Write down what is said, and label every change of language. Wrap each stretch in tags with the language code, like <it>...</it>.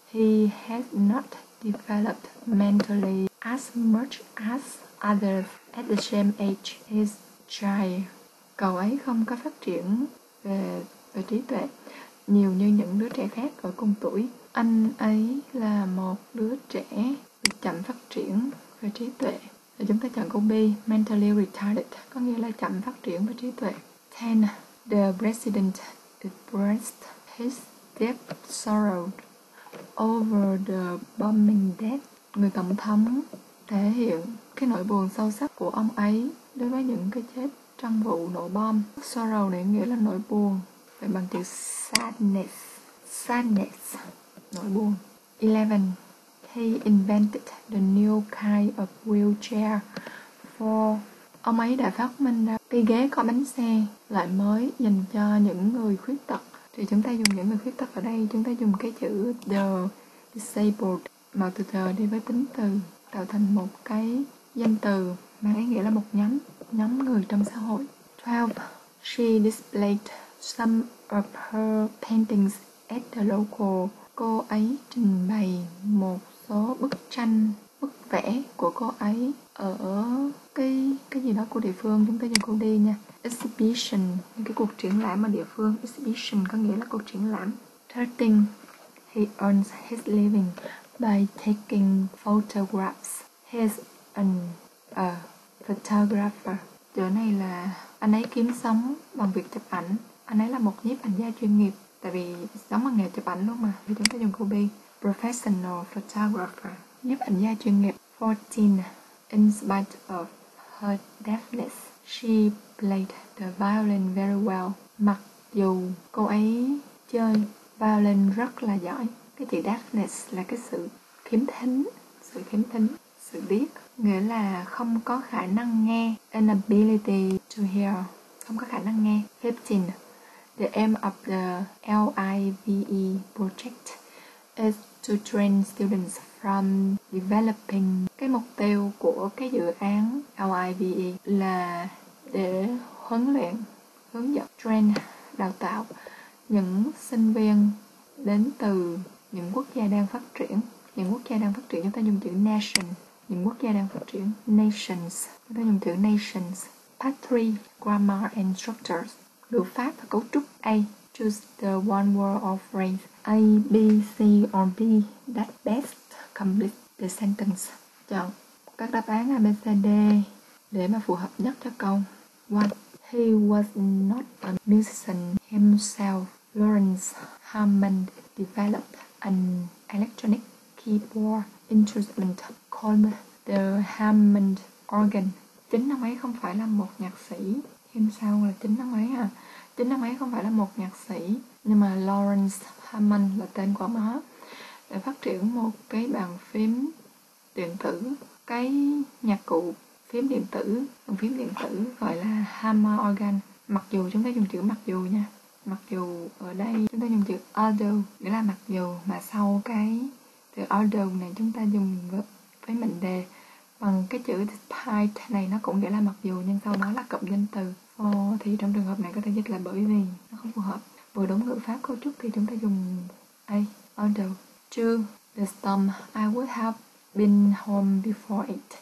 <en>He has not developed mentally as much as others at the same age. His child.</en> <vi>Cậu ấy không có phát triển về trí tuệ nhiều như những đứa trẻ khác ở cùng tuổi. Anh ấy là một đứa trẻ bị chậm phát triển về trí tuệ. Thì chúng ta chọn câu B,</vi> <en>mentally retarded,</en> <vi>có nghĩa là chậm phát triển về trí tuệ. 10.</vi> <en>The president expressed his deep sorrow over the bombing death.</en> <vi>Người tổng thống thể hiện cái nỗi buồn sâu sắc của ông ấy đối với những cái chết trong vụ nổ bom. Sorrow này nghĩa là nỗi buồn. Vậy bằng chữ sadness. Sadness, nỗi buồn. 11.</vi> <en>He invented the new kind of wheelchair. 4.</en> <vi>Ông ấy đã phát minh ra cái ghế có bánh xe loại mới dành cho những người khuyết tật. Thì chúng ta dùng những người khuyết tật ở đây, chúng ta dùng cái chữ the disabled, mà từ the đi với tính từ, tạo thành một cái danh từ mang ý nghĩa là một nhóm người trong xã hội. 12.</vi> <en>She displayed some of her paintings at the local.</en> <vi>Cô ấy trình bày một số bức tranh, bức vẽ của cô ấy ở cái gì đó của địa phương. Chúng ta dùng câu đi nha. Exhibition, cái cuộc triển lãm ở địa phương. Exhibition có nghĩa là cuộc triển lãm. 13.</vi> <en>He earns his living by taking photographs. He's a photographer.</en> <vi>Chỗ này là anh ấy kiếm sống bằng việc chụp ảnh. Anh ấy là một nhiếp ảnh gia chuyên nghiệp, tại vì sống bằng nghề chụp ảnh luôn mà. Thì chúng ta dùng câu B.</vi> <en>Professional photographer,</en> <vi>nhiếp ảnh gia chuyên nghiệp. 14.</vi> <en>In spite of her deafness, she played the violin very well.</en> <vi>Mặc dù cô ấy chơi violin rất là giỏi. Cái chữ deafness là cái sự khiếm thính, sự khiếm thính, sự điếc, nghĩa là không có khả năng nghe.</vi> <en>Inability to hear,</en> <vi>không có khả năng nghe. 15.</vi> <en>The aim of the LIVE project is to train students from developing.</en> <vi>Cái mục tiêu của cái dự án LIVE là để huấn luyện, hướng dẫn, train, đào tạo những sinh viên đến từ những quốc gia đang phát triển. Những quốc gia đang phát triển, chúng ta dùng chữ nation. Những quốc gia đang phát triển,</vi> <en>nations,</en> <vi>chúng ta dùng chữ nations.</vi> <en>Part 3, grammar and structures,</en> <vi>ngữ pháp và cấu trúc.</vi> <en>A, choose the one word or phrase. A, B, C or D that best complete the sentence.</en> <vi>Chọn các đáp án A, B, C, D để mà phù hợp nhất cho câu.</vi> <en>1. He was not a musician himself. Lawrence Hammond developed an electronic keyboard instrument called the Hammond organ.</en> <vi>Chính ông ấy không phải là một nhạc sĩ. Himself là chính ông ấy à. Chính ông ấy không phải là một nhạc sĩ, nhưng mà Lawrence Hammond là tên của ông ấy, để phát triển một cái bàn phím điện tử, cái nhạc cụ phím điện tử, bàn phím điện tử gọi là hammer organ. Mặc dù chúng ta dùng chữ mặc dù nha, mặc dù ở đây chúng ta dùng chữ although, nghĩa là mặc dù, mà sau cái từ although này chúng ta dùng với mệnh đề bằng cái chữ despite này, nó cũng nghĩa là mặc dù, nhưng sau đó là cụm danh từ for, thì trong trường hợp này có thể dịch là bởi vì, nó không phù hợp. Vừa đúng ngữ pháp cấu trúc thì chúng ta dùng A,</vi> <en>although.</en> <vi>2.</vi> <en>The storm, I would have been home before it.</en>